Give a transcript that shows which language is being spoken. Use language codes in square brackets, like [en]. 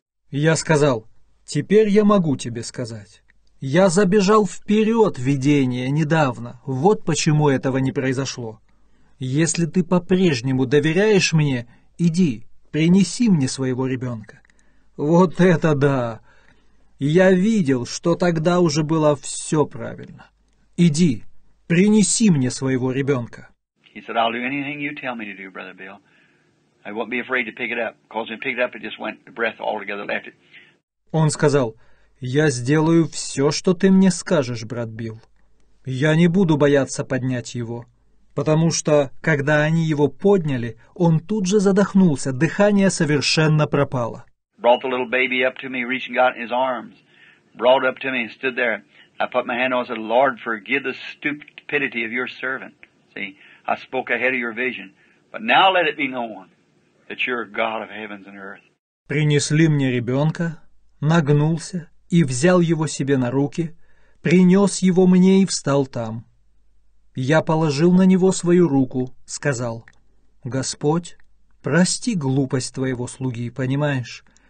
[ru] Я сказал, теперь я могу тебе сказать. Я забежал вперед видение недавно, вот почему этого не произошло. Если ты по-прежнему доверяешь мне, иди, принеси мне своего ребенка. Вот это да! Я видел, что тогда уже было все правильно. Иди, принеси мне своего ребенка. [en] He said, I'll do anything you tell me to do, Brother Bill. I won't be afraid to pick it up. Because when I picked it up, it just went, the breath altogether left it. [ru] Он сказал, я сделаю все, что ты мне скажешь, брат Билл. Я не буду бояться поднять его. Потому что, когда они его подняли, он тут же задохнулся, дыхание совершенно пропало. [en] Brought the little baby up to me, reaching out in his arms. Brought up to me and stood there. I put my hand on and said, Lord, forgive the stupidity of your servant. See, I spoke ahead of your vision. But now let it be known that you're God of heavens and earth. [ru] Принесли мне ребенка, нагнулся и взял его себе на руки, принес его мне и встал там. Я положил на него свою руку, сказал, «Господь, прости глупость твоего слуги, понимаешь?